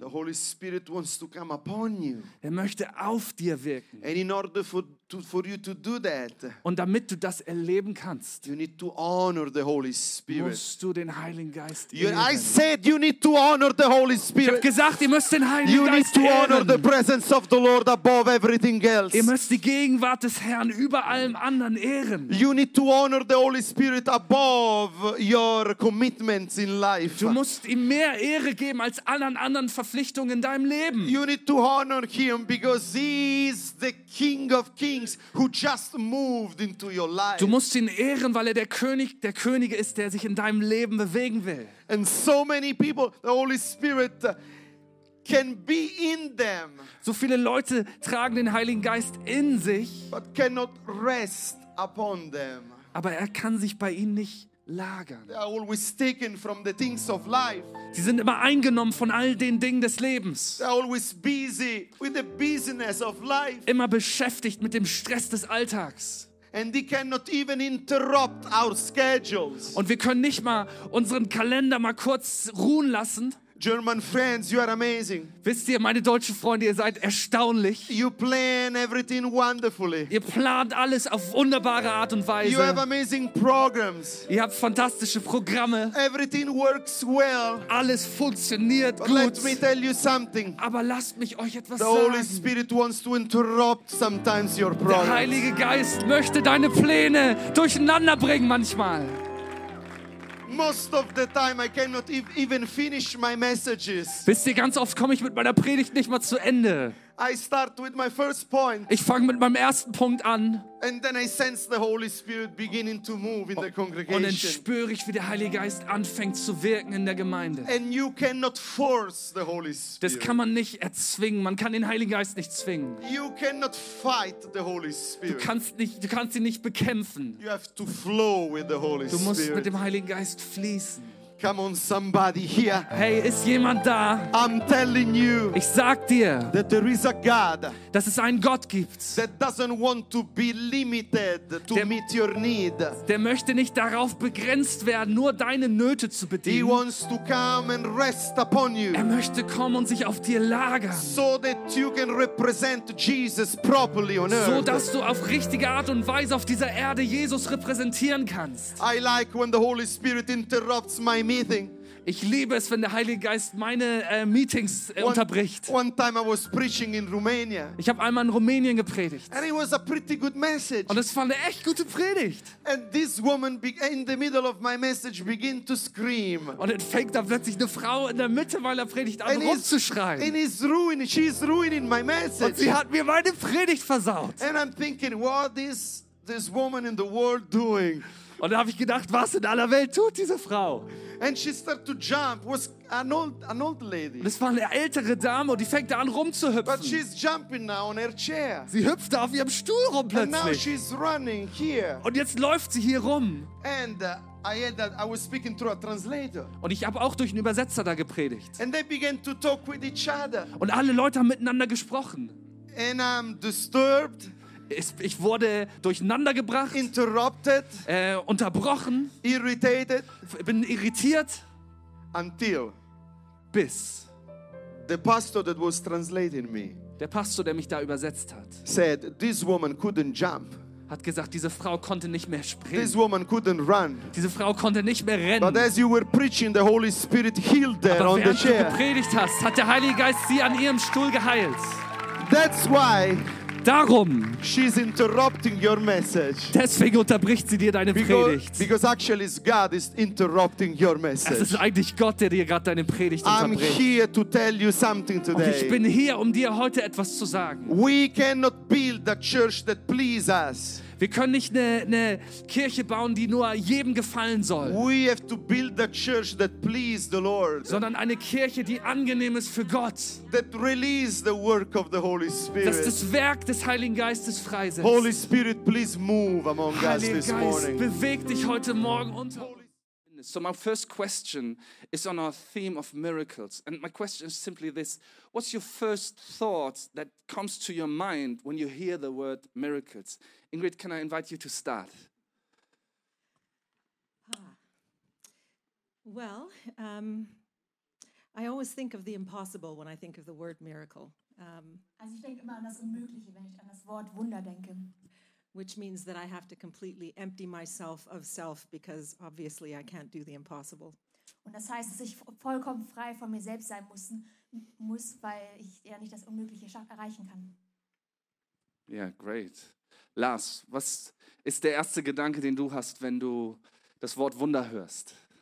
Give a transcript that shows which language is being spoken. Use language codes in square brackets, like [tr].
[en] The Holy Spirit wants to come upon you. [de] Er möchte auf dir wirken. [en] And in order for you to do that, [de] und damit du das erleben kannst, [en] you need to honor the Holy Spirit. [de] Musst du den Heiligen Geist ehren. [en] I said you need to honor the Holy Spirit. [de] Ich habe gesagt, ihr müsst den Heiligen Geist [en] need to [de] ehren. [en] Honor the presence of the Lord above everything else. [de] Ihr müsst die Gegenwart des Herrn über allem anderen ehren. [en] You need to honor the Holy Spirit above your commitments in life. [de] Du musst ihm mehr Ehre geben als allen anderen Verpflichtungen in deinem Leben. [en] You need to honor him because he is the King of Kings who just moved into your life. [de] Du musst ihn ehren, weil er der König der Könige ist, der sich in deinem Leben bewegen will. [en] And so many people, the Holy Spirit can be in them. [de] So viele Leute tragen den Heiligen Geist in sich, [en] but cannot rest upon them. [de] Aber er kann sich bei ihnen nicht lagern. [en] They are always taken from the things of life. [de] Sie sind immer eingenommen von all den Dingen des Lebens. [en] They are always busy with the business of life. [de] Immer beschäftigt mit dem Stress des Alltags. [en] And they cannot even interrupt our schedules. [de] Und wir können nicht mal unseren Kalender mal kurz ruhen lassen. [en] German friends, you are amazing. [de] Wisst ihr, meine deutschen Freunde, ihr seid erstaunlich. [en] You plan everything wonderfully. [de] Ihr plant alles auf wunderbare Art und Weise. [en] You have amazing programs. [de] Ihr habt fantastische Programme. [en] Everything works well. [de] Alles funktioniert gut. [en] Let me tell you something. [de] Aber lasst mich euch etwas sagen. [en] The Holy Spirit wants to interrupt sometimes your programs. [de] Der Heilige Geist möchte deine Pläne durcheinander bringen manchmal. [en] Most of the time I cannot even finish my messages. [de] Wisst ihr, ganz oft komme ich mit meiner Predigt nicht mal zu Ende. [en] I start with my first point. [de] Ich fange mit meinem ersten Punkt an. [en] And then I sense the Holy Spirit beginning to move in the congregation. [de] Und dann spüre ich, wie der Heilige Geist anfängt zu wirken in der Gemeinde. [en] And you cannot force the Holy Spirit. [de] Das kann man nicht erzwingen. Man kann den Heiligen Geist nicht zwingen. [en] You cannot fight the Holy Spirit. [de] Du kannst ihn nicht bekämpfen. [en] You have to flow with the Holy Spirit. [de] Du musst mit dem Heiligen Geist fließen. [en] Come on, somebody here. [de] Hey, ist jemand da? [en] I'm telling you. [de] Ich sag dir, [en] that there is a God. [de] Dass es einen Gott gibt. [en] That doesn't want to be limited to meet your need. [de] Der möchte nicht darauf begrenzt werden, nur deine Nöte zu bedienen. [en] He wants to come and rest upon you. [de] Er möchte kommen und sich auf dir lagern. [en] So that you can represent Jesus properly on earth. [de] So dass du auf richtige Art und Weise auf dieser Erde Jesus repräsentieren kannst. [en] I like when the Holy Spirit interrupts my meeting. [de] Ich liebe es, wenn der Heilige Geist meine Meetings unterbricht. [en] One time I was preaching in Romania. [de] Ich habe einmal in Rumänien gepredigt. [en] And it was a pretty good message. [de] Und es war eine echt gute Predigt. [en] And this woman in the middle of my message began to scream. [de] Und dann fängt da plötzlich eine Frau in der Mitte meiner Predigt an, rumzuschreien. [en] And it's ruining, she's ruining my message. [de] Und sie hat mir meine Predigt versaut. [en] And I'm thinking, what is this woman in the world doing? [de] Und da habe ich gedacht, was in aller Welt tut diese Frau? [en] And she started to jump. Was an old lady. [de] Das war eine ältere Dame und die fängt an rumzuhüpfen. [en] But she's jumping now on her chair. [de] Sie hüpft auf ihrem Stuhl rum plötzlich. [en] And now she's running here. [de] Und jetzt läuft sie hier rum. [en] And I was speaking through a translator. [de] Und ich habe auch durch einen Übersetzer da gepredigt. [en] And they began to talk with each other. [de] Und alle Leute haben miteinander gesprochen. [en] And I'm disturbed. [de] Ich wurde durcheinander gebracht, [en] interrupted, [de] unterbrochen, [en] irritated, [de] bin irritiert, [en] until [de] bis [en] the pastor that was translating me, [de] der Pastor, der mich da übersetzt hat, [en] said this woman couldn't jump, [de] hat gesagt, diese Frau konnte nicht mehr springen. [en] This woman couldn't run. [de] Diese Frau konnte nicht mehr rennen. [en] But as you were preaching, the Holy Spirit healed her on the chair. [de] Aber während du gepredigt hast, hat der Heilige Geist sie an ihrem Stuhl geheilt. [en] That's why. [de] Darum. [en] She's interrupting your message. [de] Deswegen unterbricht sie dir deine Predigt. [en] Because actually God is interrupting your message. [de] Es ist eigentlich Gott, der dir gerade deine Predigt unterbricht. [en] I'm here to tell you something today. [de] Und ich bin hier, um dir heute etwas zu sagen. [en] We cannot build a church that pleases us. [de] Wir können nicht eine Kirche bauen, die nur jedem gefallen soll. [en] We have to build a church that pleases the Lord. [de] Sondern eine Kirche, die angenehm ist für Gott. [en] That releases the work of the Holy Spirit. [de] Dass das Werk des Heiligen Geistes freisetzt. [en] Holy Spirit, please move among [de] Heiliger [en] us this [de] Geist, [en] morning. [de] Beweg dich heute Morgen unter. So my first question is on our theme of miracles. And my question is simply this. What's your first thought that comes to your mind when you hear the word miracles? Ingrid, can I invite you to start? Well, I always think of the impossible when I think of the word miracle. Also ich denke immer an das Unmögliche, wenn ich an das Wort Wunder denke. [en] Which means that I have to completely empty myself of self because obviously I can't do the impossible. [de] Und das heißt, dass ich vollkommen frei von mir selbst sein muss, weil ich ja nicht das Unmögliche erreichen kann. [en] Ja, yeah, great. [de] Lars, was ist der erste Gedanke, den du hast, wenn du das Wort Wunder hörst?